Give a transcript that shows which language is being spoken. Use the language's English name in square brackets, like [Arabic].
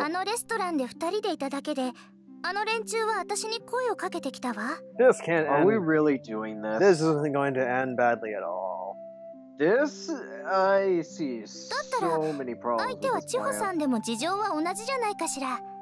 [Japanese] あのレストランで 2人 でいただけで、あの連中は私に声をかけてきたわ。 [English] This can't end. Are we really doing this? This isn't going to end badly at all. This I see so many problems. [Japanese] だったら相手は千穂さんでも事情は同じじゃないかしら。